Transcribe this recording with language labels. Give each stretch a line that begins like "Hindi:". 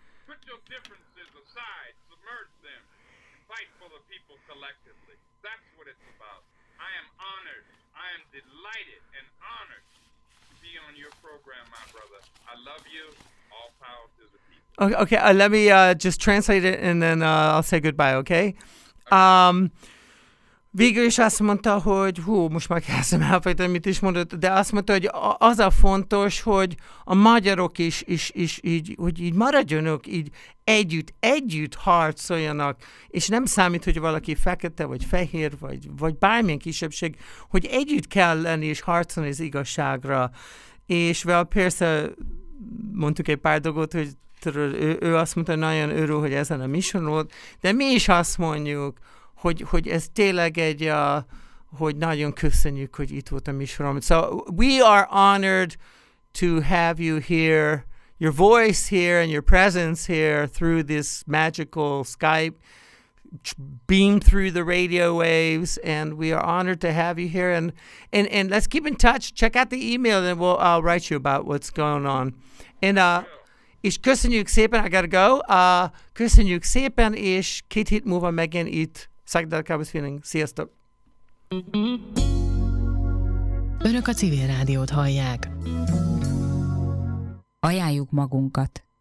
English: Put your differences aside. Submerge them. Fight for the people collectively. That's what it's about. I am honored. I am delighted and honored to be be on your program, my brother. I love you. All power to the people. Okay, let me just translate it and then I'll say goodbye, okay?
Hungarian: Végül is azt mondta, hogy hú, most már kezdem elfejteni, mit is mondott, de azt mondta, hogy az a fontos, hogy a magyarok is így, hogy így maradjanak, így együtt harcoljanak, és nem számít, hogy valaki fekete, vagy fehér, vagy bármilyen kisebbség, hogy együtt kell lenni és harcolni az igazságra. És vel, persze mondtuk egy pár dolgot, hogy ő azt mondta, hogy nagyon örül, hogy ezen a mission volt, de mi is azt mondjuk, hogy ez tényleg egy, hogy nagyon köszönjük, hogy itt volt a műsorom.
English: So, we are honored to have you here, your voice here and your presence here through this magical Skype beam through the radio waves, and we are honored to have you here. And let's keep in touch. Check out the email, and I'll write you about what's going on. And
Hungarian: és köszönjük szépen,
English: I gotta go.
Hungarian: Köszönjük szépen, és két hét múlva megint itt. Szakdelkábus feeling. Sziasztok! Önök a Civil Rádiót hallják. Ajánljuk magunkat.